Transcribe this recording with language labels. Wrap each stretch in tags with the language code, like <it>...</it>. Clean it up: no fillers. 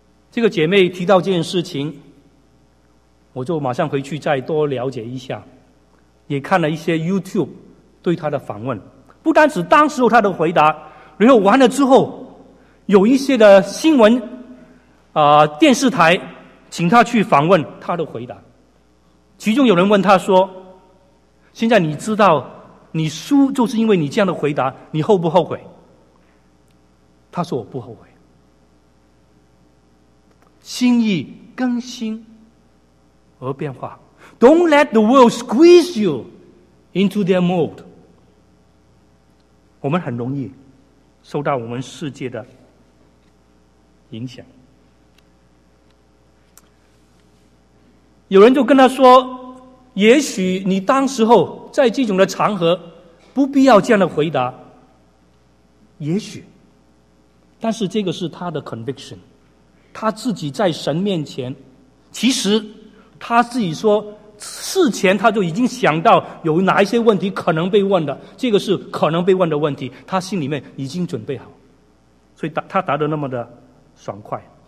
<zh>这个姐妹提到这件事情，我就马上回去再多了解一下，也看了一些 YouTube 对他的访问，不单只当时候他的回答，然后完了之后有一些的新闻电视台请他去访问他的回答，其中有人问他说，现在你知道你输就是因为你这样的回答，你后不后悔？他说我不后悔，心意更新而变化。</zh> <en>Don't let the world squeeze you into their mold.</en> <zh>我们很容易受到我们世界的影响。有人就跟他说，也许你当时候在这种的场合不必要这样的回答，也许，但是这个是他的 conviction， 他自己在神面前，其实他自己说事前他就已经想到有哪一些问题可能被问的，这个是可能被问的问题，他心里面已经准备好，所以他答得那么的爽快。</zh>